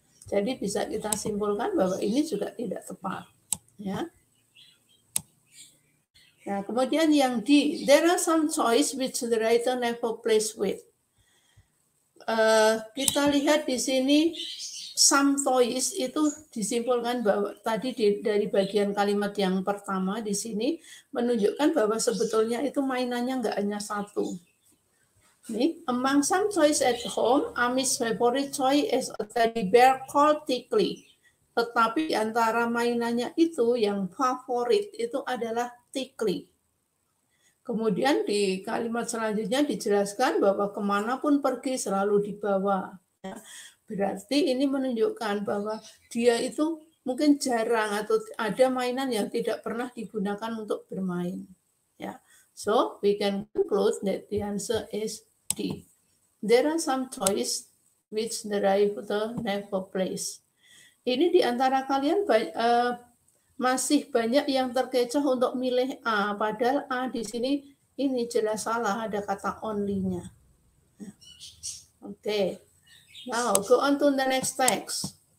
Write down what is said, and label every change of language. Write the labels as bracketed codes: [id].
[id] Jadi bisa kita simpulkan bahwa ini juga tidak tepat. Ya. Nah, kemudian yang D, [en] there are some toys which the writer never plays with. [id] Kita lihat di sini, some toys itu disimpulkan bahwa tadi dari bagian kalimat yang pertama di sini, menunjukkan bahwa sebetulnya itu mainannya nggak hanya satu. Nih, [en] among some toys at home, Ami's favorite toy is a teddy bear called Tickly. [id] Tetapi antara mainannya itu yang favorit itu adalah Tickly. Kemudian di kalimat selanjutnya dijelaskan bahwa kemanapun pergi selalu dibawa. Berarti ini menunjukkan bahwa dia itu mungkin jarang atau ada mainan yang tidak pernah digunakan untuk bermain. [en] Ya, so we can conclude that the answer is there are some toys which the writer never plays. [id] Ini di antara kalian masih banyak yang terkecoh untuk milih A, padahal A di sini ini jelas salah, ada kata only-nya. [en] Oke. Okay. Now, go on to the next text.